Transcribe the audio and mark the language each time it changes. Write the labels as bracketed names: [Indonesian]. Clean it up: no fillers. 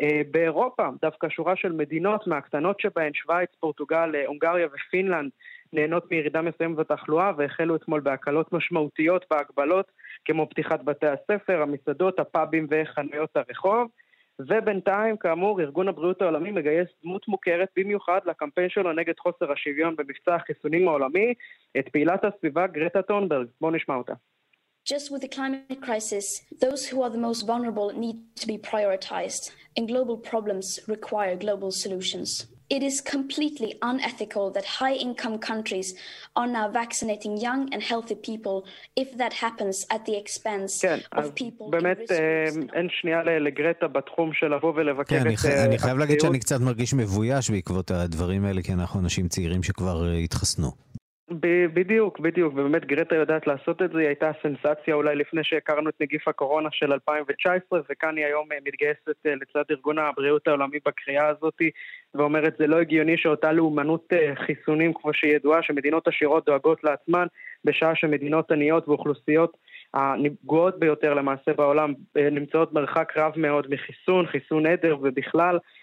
[Hebrew] באירופה דווקא שורה של מדינות מהקטנות שבהן, שווייץ, פורטוגל, הונגריה ופינלנד, נהנות מירידה מסוימת בתחלואה והחלו אתמול בהקלות משמעותיות בהגבלות כמו פתיחת בתי הספר, המסעדות, הפאבים וחנויות הרחוב. ובינתיים, כאמור, ארגון הבריאות העולמי מגייס דמות מוכרת במיוחד לקמפיין שלו נגד חוסר השוויון במבצע החיסונים העולמי, את פעילת הסביבה גרטה טונברג. בוא נשמע אותה. [English] Just with the climate crisis, those who are the most vulnerable need to be prioritized, and global problems require global solutions. It is completely unethical that high-income countries are now vaccinating young and healthy people if that happens at the expense of people. [Hebrew] באמת אין שנייה לגרטה בתחום של לבוא ולבקר. אני חייב להגיד שאני קצת מרגיש מבויש בעקבות הדברים האלה, כי אנחנו אנשים צעירים שכבר התחסנו. בדיוק, בדיוק, ובאמת גרטה יודעת לעשות את זה, היא הייתה סנסציה אולי לפני שהכרנו את נגיף הקורונה של 2019, וכאן היא היום מתגייסת לצד ארגון הבריאות העולמי בקריאה הזאת, ואומרת זה לא הגיוני שאותה לאומנות חיסונים כמו שהיא ידועה, שמדינות עשירות דואגות לעצמן, בשעה שמדינות עניות ואוכלוסיות הנפגועות ביותר למעשה בעולם נמצאות מרחק רב מאוד מחיסון, חיסון עדר ובכלל,